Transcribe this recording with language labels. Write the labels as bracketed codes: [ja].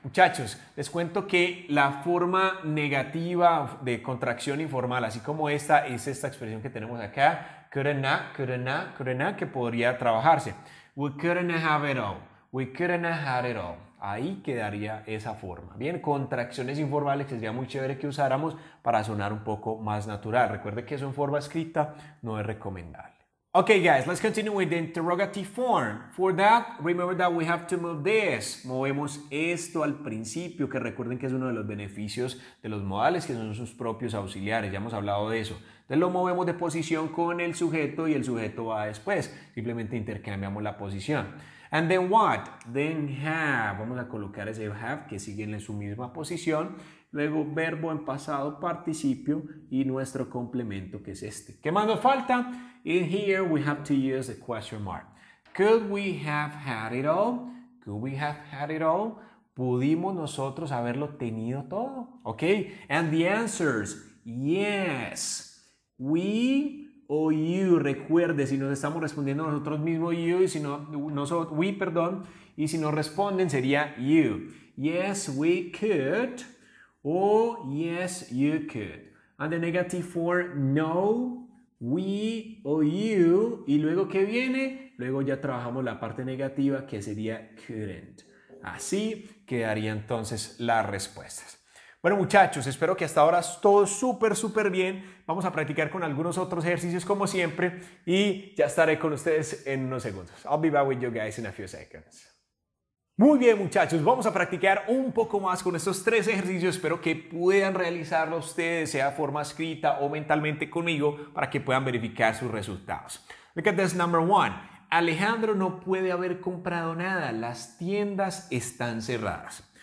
[es] Muchachos, les cuento que la forma negativa de contracción informal, así como esta, es esta expresión que tenemos acá, couldn't have, que podría trabajarse. [en] We couldn't have it all. [es] We couldn't have had it all. Ahí quedaría esa forma. Bien, contracciones informales que sería muy chévere que usáramos para sonar un poco más natural. Recuerde que eso en forma escrita no es recomendable. [en] Okay, guys, let's continue with the interrogative form. For that, remember that we have to move this. [es] Movemos esto al principio, que recuerden que es uno de los beneficios de los modales, que son sus propios auxiliares. Ya hemos hablado de eso. Entonces lo movemos de posición con el sujeto y el sujeto va después. Simplemente intercambiamos la posición. [en] And then what? Then have. [es] Vamos a colocar ese have que sigue en su misma posición. Luego verbo en pasado, participio y nuestro complemento que es este. ¿Qué más nos falta? [en] In here we have to use the question mark. Could we have had it all? Could we have had it all? [es] ¿Pudimos nosotros haberlo tenido todo? ¿Ok? [en] And the answers. Yes. We... [es] O you, recuerde, si nos estamos respondiendo nosotros mismos, you, y si no, nosotros, we, perdón, y si no responden sería you. [en] Yes, we could. O yes, you could. And the negative form, no, we, o you. [es] Y luego, ¿qué viene? Luego ya trabajamos la parte negativa, que sería couldn't. Así quedaría entonces las respuestas. Bueno, muchachos, espero que hasta ahora todo súper, súper bien. Vamos a practicar con algunos otros ejercicios como siempre y ya estaré con ustedes en unos segundos. [en] I'll be back with you guys in a few seconds. [es] Muy bien, muchachos, vamos a practicar un poco más con estos tres ejercicios. Espero que puedan realizarlo ustedes, sea de forma escrita o mentalmente conmigo, para que puedan verificar sus resultados. [en] Look at this number one. [es] Alejandro no puede haber comprado nada. Las tiendas están cerradas.